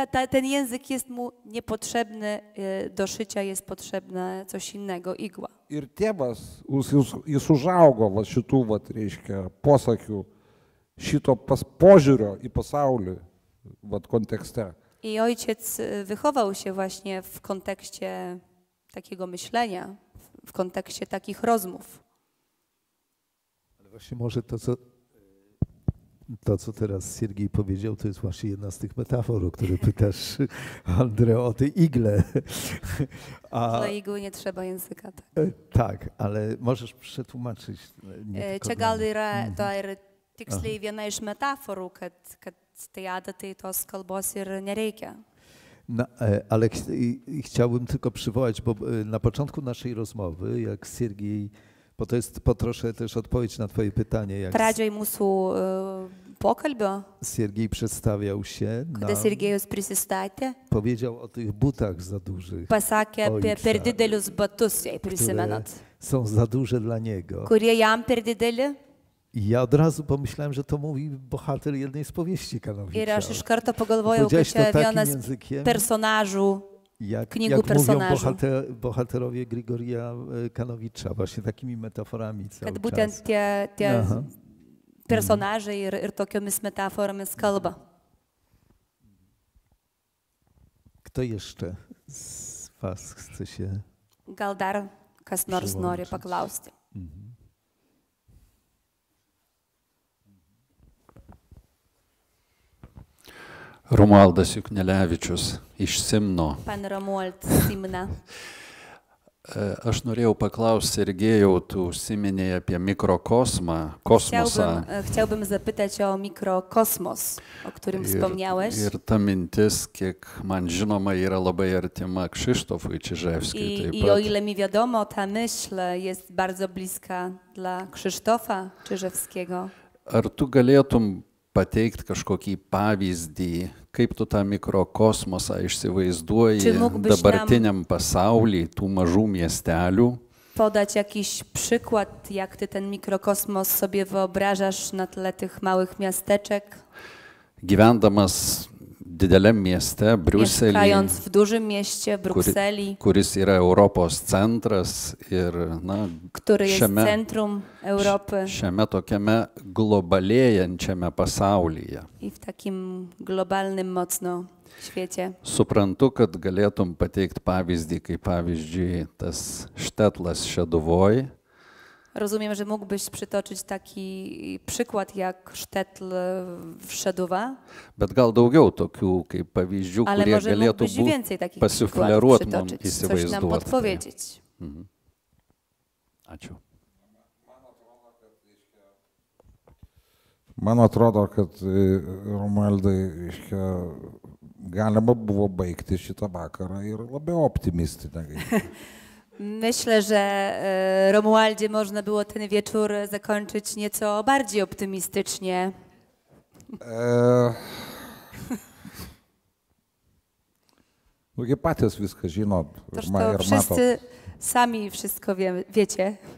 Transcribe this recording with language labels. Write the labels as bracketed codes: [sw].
[pl] Ten język jest mu niepotrzebny, do szycia jest potrzebne coś innego, igła. [lt] Ir tėvas, jis užaugo va šitų, va, reiškia, posakių, šito požiūrio į pasaulį, va, kontekste. [pl] I ojciec wychował się właśnie w kontekście takiego myślenia, w kontekście takich rozmów. Ale właśnie może to, co teraz Siergiej powiedział, to jest właśnie jedna z tych metafor, o które pytasz, Andrę, o tej igle. A igły nie trzeba języka. Tak. Tak, ale możesz przetłumaczyć. [lt] Čia to yra tiksliai viena iš metaforų, kad tai adatai tos kalbos ir nereikia. [pl] No, ale chciałbym tylko przywołać, bo na początku naszej rozmowy, jak Siergiej, bo to jest potroszę też odpowiedź na twoje pytanie. [lt] Pradžioj mūsų pokalbio. [pl] Siergiej przedstawiał się. [lt] Kada Siergiejus prisistatė. [pl] Powiedział o tych butach za dużych. [lt] Pasakė apie per didelius batus, jei prisimenat. [pl] Są za duże dla niego. [lt] Kurie jam per dideli. [pl] I ja od razu pomyślałem, że to mówi bohater jednej z powieści Kanowicza. [lt] Ir aš iš karto pagalvojau, kad čia vienas personažų. [pl] Jak mówią bohaterowie Grigorija Kanowicza, właśnie takimi metaforami cały [lt] kad Būtent tie personaże ir tokiomis metaforomis kalba. [pl] Kto jeszcze z was chce się [lt] gal dar kas nors nori paklausti? Romualdas Juknelevičius iš Simno. [pl] Pan Romuald Simna. [lt] Aš norėjau paklausti Sergejau, tu užsiminėjai apie mikrokosmą, kosmosą. [pl] Chciałbym zapytać o mikrokosmos, o którym wspomniałeś. [lt] Ir ta mintis, kiek man žinoma, yra labai artima Krzysztofui Čiževskiui taip pat. [pl] I o ile mi wiadomo, ta myśl jest bardzo bliska dla Krzysztofa Čiževskiego. [lt] Ar tu galėtum pateikti kažkokį pavyzdį, kaip tu tą mikrokosmosą išsivaizduoji dabartiniam pasaulyje, tų mažų miestelių. [pl] Podać jakiś przykład, jak ty ten mikrokosmos sobie wyobrażasz na tle tych małych miasteczek. [lt] Gyvendamas dideliam mieste, Briuselį. [pl] Mieszkając w dużym mieście, Brukseli. [lt] Kuris yra Europos centras ir, na, [pl] który jest centrum Europy. [lt] Šiame tokiame globalėjančiame pasaulyje. [pl] I w takim globalnym mocno świecie. [lt] Suprantu, kad galėtum pateikti pavyzdį, kaip pavyzdžiui tas Štetlas Šeduvoj. [pl] Rozumiem, że mógłbyś przytoczyć taki przykład jak Štetl w Šeduva. [lt] Bet gal daugiau tokių kaip pavyzdžių, kurie galėtų būti pasufleruot mums įsivaizduot. [pl] Coś nam podpowiedzieć. [lt] Ačiū. Man atrodo, kad Romualdai, reiškia, galima buvo baigti šitą vakarą ir labai optimistinę. [pl] Myślę, że Romualdzie można było ten wieczór zakończyć nieco bardziej optymistycznie. [lt] Nu, jie patys viską žino. [pl] Wszyscy sami wszystko wiecie.